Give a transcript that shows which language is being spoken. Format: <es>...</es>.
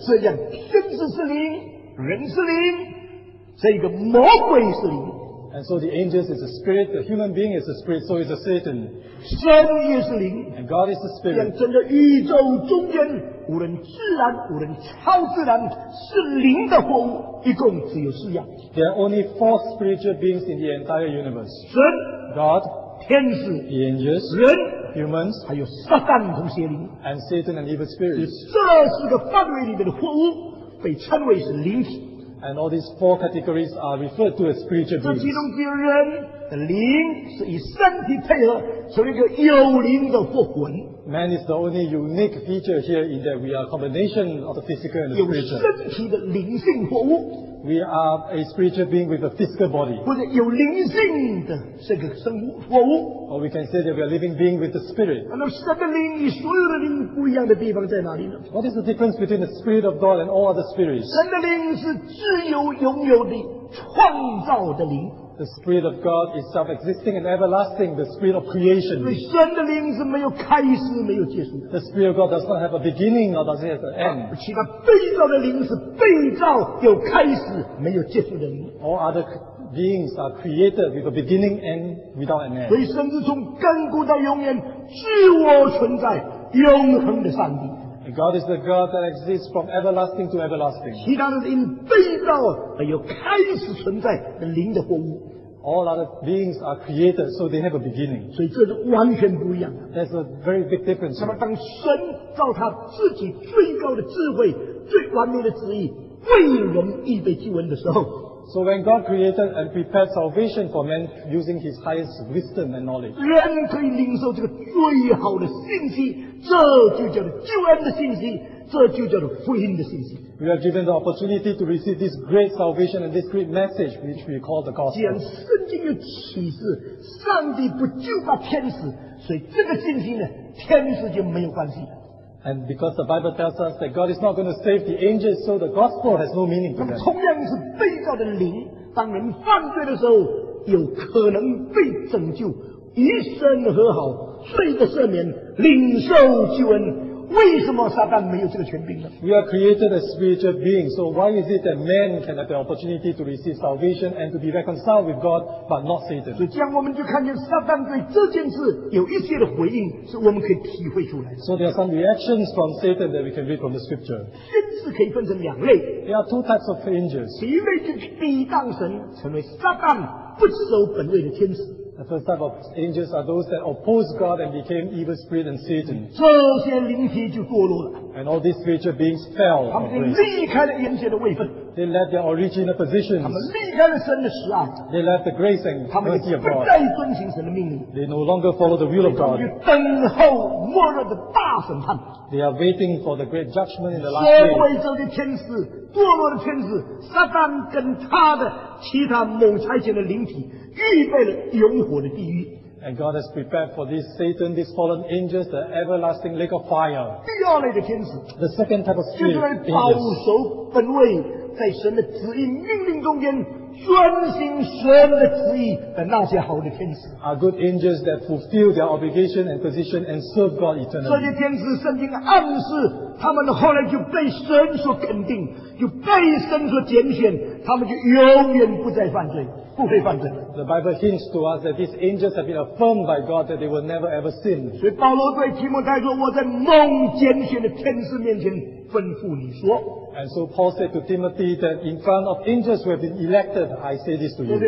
<zh>这样，天使是灵，人是灵，这个魔鬼是灵。</zh> <en>And so the angels is a spirit, the human being is a spirit, so is a Satan.</en> <zh>神也是灵。</zh> <en>And God is the spirit.</en> <zh>让整个宇宙中间，无论自然，无论超自然，是灵的活物，一共只有四样。</zh> <en>There are only four spiritual beings in the entire universe.</en> <zh>神</zh> <en>God</en> <zh>天使</zh> <en>The angels</en> <zh>人</zh> <en>Humans</en> <zh>还有撒旦和邪灵</zh> <en>And Satan and evil spirits.</en> <zh>以这四个范围里面的活物，被称为是灵体。</zh> <en>And all these four categories are referred to as spiritual beings.</en> <zh>这其中的人的灵是以身体配合，成为一个有灵的复魂。</zh> <en>Man is the only unique feature here in that we are a combination of the physical and the spiritual.</en> <zh>有身体的灵性活物。</zh> <en>We are a spiritual being with a physical body.</en> <zh>或者有灵性的这个生物活物。</zh> <en>Or we can say that we are living being with the spirit.</en> <zh>那神的灵与所有的灵不一样的地方在哪里呢</zh> <en>？What is the difference between the spirit of God and all other spirits?</en> <zh>神的灵是自由拥有的创造的灵。</zh> <en>The spirit of God is self-existing and everlasting, the spirit of creation.</en> <zh>神的灵是没有开始，没有结束。</zh> <en>The spirit of God does not have a beginning or does it have an end.</en> <zh>其他被造的灵是被造有开始，没有结束的灵。</zh> <en>All other beings are created with a beginning and without an end.</en> <zh>所以神是从亘古到永远，自我存在，永恒的上帝。</zh> <en>God is the God that exists from everlasting to everlasting.</en> <zh>其他的灵被造而有开始存在的灵的活物。</zh> <en>All other beings are created, so they have a beginning.</en> <zh>所以这是完全不一样的。</zh> <en>That's a very big difference.</en> <zh>那么当神造他自己最高的智慧、最完美的旨意为人预备救恩的时候。</zh> <en>So when God created and prepared salvation for man using his highest wisdom and knowledge.</en> <zh>人可以领受这个最好的信息，这就叫做救恩的信息，这就叫做福音的信息。</zh> <en>We are given the opportunity to receive this great salvation and this great message which we call the gospel.</en> <zh>既然圣经有启示，上帝不救拔天使，所以这个信息呢，天使就没有关系了。</zh> <en>And because the Bible tells us that God is not going to save the angels, so the gospel has no meaning to them.</en> <zh>同样是被造的灵，当人犯罪的时候，有可能被拯救，一生和好，罪的赦免，领受救恩。为什么撒旦没有这个权柄呢</zh> <en>？We are created as spiritual beings, so why is it that man can have the opportunity to receive salvation and to be reconciled with God, but not Satan?</en> <zh>所以这样我们就看见撒旦对这件事有一些的回应，是我们可以体会出来的。</zh> <en>So there are some reactions from Satan that we can read from the scripture.</en> <zh>天使可以分成两类。</zh> <en>There are two types of angels.</en> <zh>第一类就是抵挡神，成为撒旦不守本位的天使。</zh> <en>The first type of angels are those that oppose God and became evil spirit and Satan.</en> <zh>这些灵体就堕落了。</zh> <en>And all these spiritual beings fell.</en> <zh>他们离开了原先的位分。</zh> <en>They left their original positions.</en> <zh>他们离开了神的使爱。</zh> <en>They left the grace and mercy of God.</en> <zh>他们不再遵行神的命令。</zh> <en>They no longer follow the will of God.</en> <zh>他们就等候末日的大审判。</zh> <en>They are waiting for the great judgment in the last day.</en> <zh>所谓这些天使，堕落的天使，撒旦跟他的其他某差遣的灵体。预备了永火的地狱。</zh> <en>And God has prepared for this Satan, these fallen angels, the everlasting lake of fire.</en> <zh>第二类的天使。</zh> <en>The second type of spirit.</en> <zh>就是来保守本位，在神的旨意命令中间专心神的旨意的那些好的天使</zh> <en>are good angels that fulfill their obligation and position and serve God eternally.</en> <zh>这些天使圣经暗示他们后来就被神所肯定，就被神所拣选，他们就永远不再犯罪，不会犯罪。</zh> <en>The Bible hints to us that these angels have been affirmed by God that they will never ever sin.</en> <zh>所以保罗对提摩太说：“我在蒙拣选的天使面前吩咐你说。”</zh> <en>And so Paul said to Timothy that in front of angels who have been elected, I say this to you.</en>